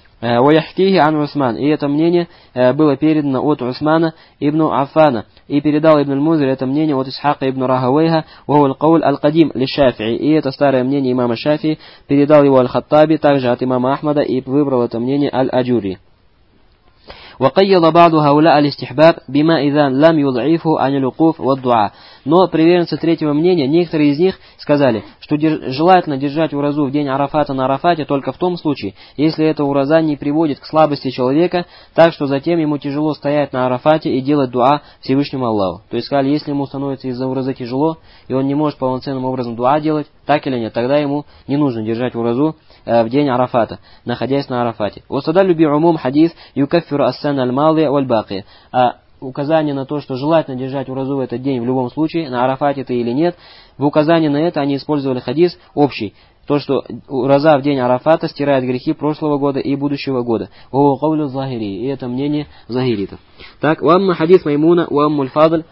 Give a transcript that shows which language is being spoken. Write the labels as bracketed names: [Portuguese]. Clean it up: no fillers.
[Arabic] Ваяхкихи ан Усман. [Russian] И это мнение было передано от Усмана ибн Аффана. И передал ибн аль-Музир это мнение от Исхака ибн Рахавейха. [Arabic] Вау аль-Кауль аль-Кадим ли-Шафии. [Russian] И это старое мнение имама Шафии. Передал его аль-Хаттаби, также от имама Ахмада, и выбрал это мнение аль-Аджури. [Arabic] وقيل بعض هؤلاء الاستحباب بما اذا لم يضعفه عن الوقوف والدعاء. [Russian] Но приверженцы третьего мнения, некоторые из них сказали, что желательно держать уразу в день Арафата на Арафате только в том случае, если это ураза не приводит к слабости человека, так что затем ему тяжело стоять на Арафате и делать дуа Всевышнему Аллаху. То есть сказали, если ему становится из-за уразы тяжело, и он не может полноценным образом дуа делать, так или нет, тогда ему не нужно держать уразу в день Арафата, находясь на Арафате. [Arabic] وصدلوا بعموم حديث يكفر السنة الماضية والباقية. [Russian] Указание на то, что желательно держать уразу в этот день в любом случае, на Арафате ты или нет, в указании на это они использовали хадис общий. То, что ураза в день Арафата стирает грехи прошлого года и будущего года. [Arabic] Ва каулю Захирии. [Russian] И это мнение Захиритов. Так, [Arabic] уамма хадис Маймуна, уамму аль-Фадль.